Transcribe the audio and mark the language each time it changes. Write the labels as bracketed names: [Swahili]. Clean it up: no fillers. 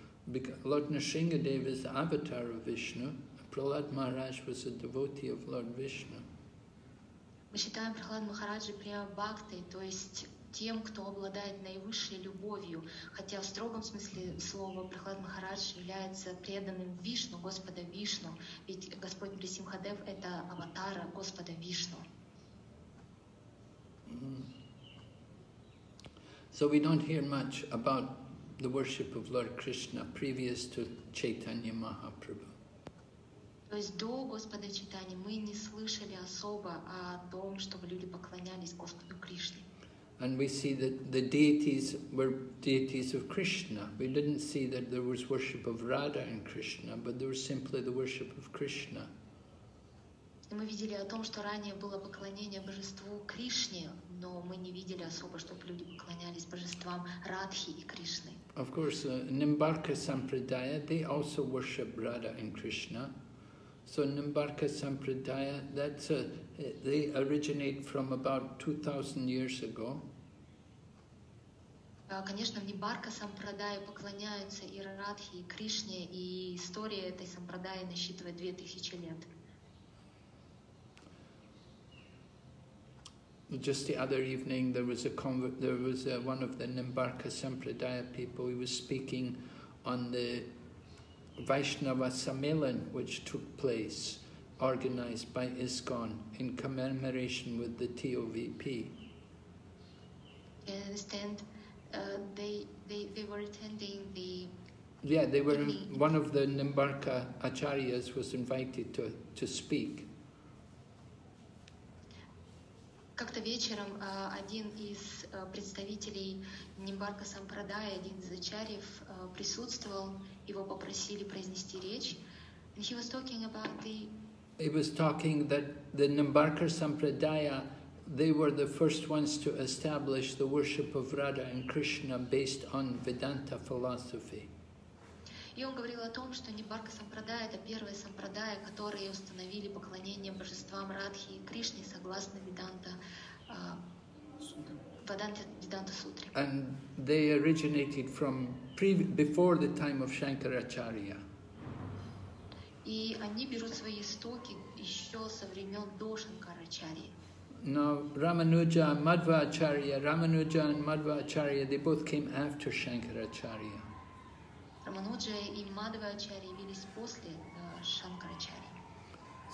[English] Because Lord Narsingadev is the avatar of Vishnu, Prahlad Maharaj was a devotee of Lord Vishnu. [Russian] Мы считаем Прахлад Махараджи прямо бхактой, то есть тем, кто обладает наивысшей любовью, хотя в строгом смысле слова Прахлад Махарадж является преданным Вишну, Господа Вишну, ведь Господь Нарсимхадев — это аватара Господа Вишну. [English] So we don't hear much about the worship of Lord Krishna previous to Chaitanya Mahaprabhu. [Russian] То есть до Господа Чайтаньи мы не слышали особо о том, чтобы люди поклонялись Господу Кришне. [English] And we see that the deities were deities of Krishna. We didn't see that there was worship of Radha and Krishna, but there was simply the worship of Krishna. [Russian] Мы видели о том, что ранее было поклонение божеству Кришне, но мы не видели особо, чтобы люди поклонялись божествам Радхи и Кришны. [English] Of course, Nimbarka Sampradaya, they also worship Radha and Krishna. So Nimbarka Sampradaya, they originate from about 2000 years ago. [Russian] Конечно, Нимбарка Сампрадая поклоняются и Радхи, и Кришне, и история этой Сампрадаи насчитывает 2000 лет. [English] Just the other evening, one of the Nimbarka Sampradaya people. He was speaking on the Vaishnava Sammelan, which took place, organized by ISKCON in commemoration with the TOVP. I understand they were attending the... Yeah, they were meeting. One of the Nimbarka Acharyas was invited to speak. [Russian] Как-то вечером один из представителей Нимбарка Сампрадая, один из Ачарьев, присутствовал, его попросили произнести речь. [English] He was talking about the... He was talking that the Nimbarka Sampradaya, they were the first ones to establish the worship of Radha and Krishna based on Vedanta philosophy. [Russian] И он говорил о том, что Нимбарка Сампрадая это первые сампрадая, которые установили поклонение божествам Радхи и Кришне согласно Веданта Сутре. [English] And they originated from before the time of Shankaracharya. [Russian] И они берут свои истоки еще со времен до Шанкарачарьи. [English] Now Рамануджа and Madhva Acharya, Рамануджа and Madhva Acharya, they both came after Shankaracharya. [Russian] Рамануджа и Мадхва Ачарья явились после Шанкарачарьи.